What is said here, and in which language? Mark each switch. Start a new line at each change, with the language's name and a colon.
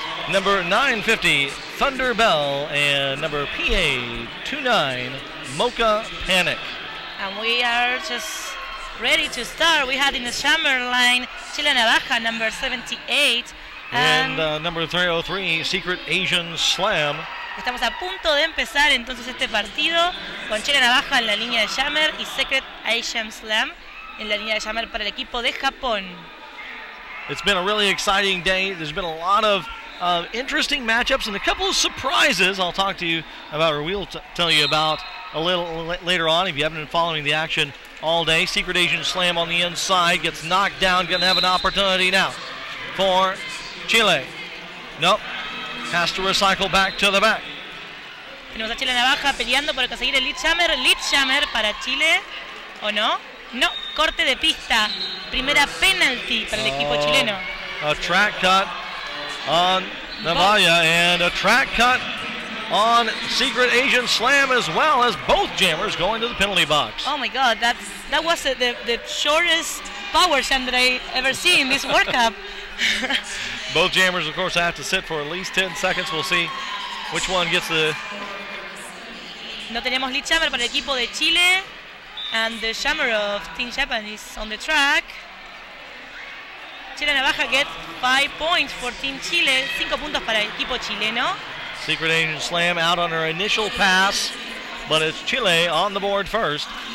English: Number 950, Thunder Bell. And number PA29, Mocha Panic. And we are just ready to start. We had in the summer line, Chile Navaja, number 78. And number 303, Secret Asian Slam.
Spanish: Estamos a punto de empezar entonces este partido con Chile Navaja en la línea de Jammer y Secret Asian Slam en la línea de Jammer para el equipo de Japón.
English: It's been a really exciting day. There's been a lot of interesting matchups and a couple of surprises I'll talk to you about, or we'll tell you about a little later on if you haven't been following the action all day. Secret Asian Slam on the inside gets knocked down, going to have an opportunity now for Chile. Nope. Has to recycle back to the back.
Spanish: Tenemos a Chile Navaja peleando por conseguir el Lichtshammer. Lichtshammer para Chile, ¿o no? No, corte de pista. Primera penalty para el equipo chileno.
English: A track cut on Navaja and a track cut on Secret Agent Slam as well as both jammers going to the penalty box. Oh my God, that was the shortest power slam that I ever seen in this World Cup. Both jammers, of course, have to sit for at least 10 seconds. We'll see which one gets the...
Spanish: No tenemos lead jammer para el equipo de Chile.
English: And the jammer of Team Japan is on the track. Chile Navaja gets 5 points for Team Chile.
Spanish: 5 puntos para el equipo chileno.
English: Secret Agent Slam out on her initial pass. But it's Chile on the board first.